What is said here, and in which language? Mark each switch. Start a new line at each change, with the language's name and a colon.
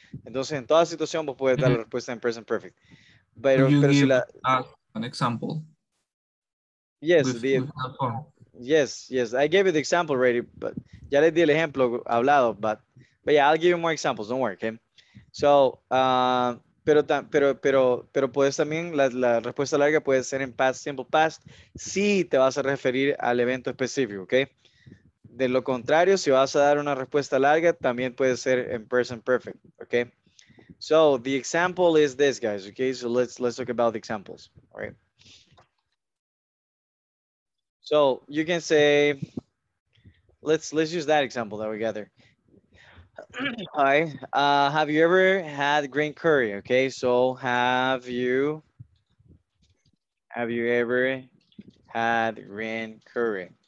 Spanish: Entonces, en toda situación, vos puedes dar la respuesta en present perfect.
English: An example? Yes, I gave you the example already, but
Spanish: ya le di el ejemplo hablado,
English: but yeah, I'll give you more examples, don't worry, okay?
Spanish: So, pero puedes también, la respuesta larga puede ser en past simple past, si te vas a referir al evento específico, ¿ok? De lo contrario, si vas a dar una respuesta larga, también puede ser en present perfect, ¿ok?
English: So, the example is this, guys, ¿ok? So, let's talk about the examples, all right? So, you can say, let's use that example that we got there. Hi, have you ever had green curry? Okay, so have you ever had green curry?